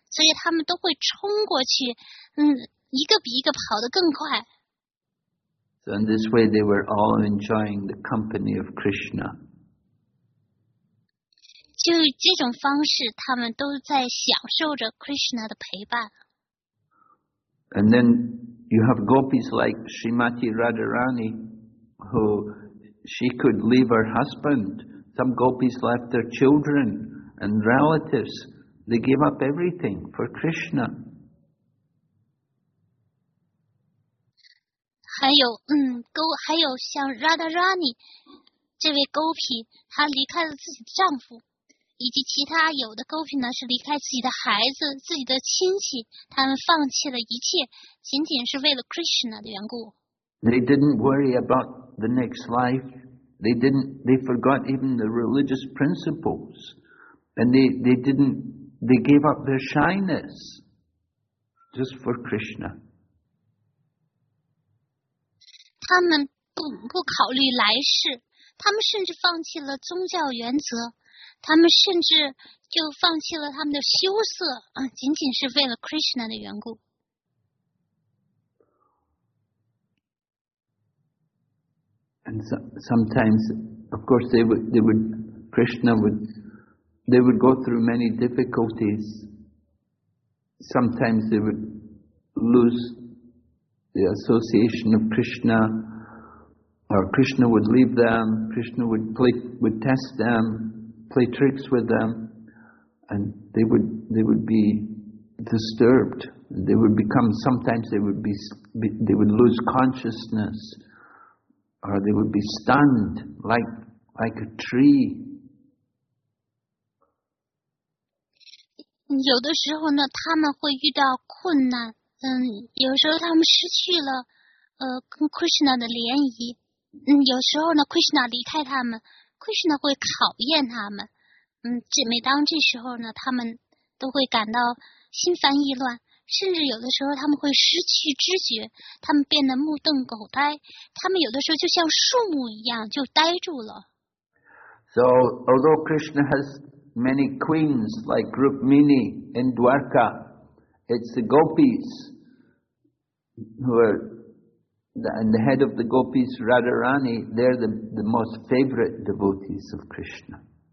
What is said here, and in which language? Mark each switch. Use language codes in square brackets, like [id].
[zh] 所以他们都会冲过去，一个比一个跑得更快。 [en] So in this way, they were all enjoying the company of Krishna. [zh] 就这种方式，他们都在享受着 Krishna 的陪伴。 [en] And then you have gopis like Srimati Radharani, who she could leave her husband. Some gopis left their children and relatives. They gave up everything for Krishna. [zh] 还有像 Radharani 这位勾皮，她离开了自己的丈夫。以及其他有的勾皮呢，是离开自己的孩子、自己的亲戚，他们放弃了一切，仅仅是为了 Krishna 的缘故。 [en] They didn't worry about the next life. They forgot even the religious principles, and they gave up their shyness just for Krishna. [zh] 他们不考虑来世，他们甚至放弃了宗教原则。他们甚至就放弃了他们的羞涩，仅仅是为了 Krishna 的缘故。 [en] And so, sometimes, of course, Krishna would go through many difficulties. Sometimes they would lose the association of Krishna, or Krishna would leave them, Krishna would test them, play tricks with them, and they would be disturbed. They would lose consciousness, or they would be stunned like a tree. [zh] 有的时候呢，他们会遇到困难，有时候他们失去了，跟 Krishna 的联谊，有时候呢 ，Krishna 离开他们 ，Krishna 会考验他们，每当这时候呢，他们都会感到心烦意乱，甚至有的时候他们会失去知觉，他们变得目瞪口呆，他们有的时候就像树木一样就呆住了。 [en] So although Krishna has many queens like Rukmini in Dwarka, it's the gopis who are and the head of the gopis, Radharani, they're the most favorite devotees of Krishna.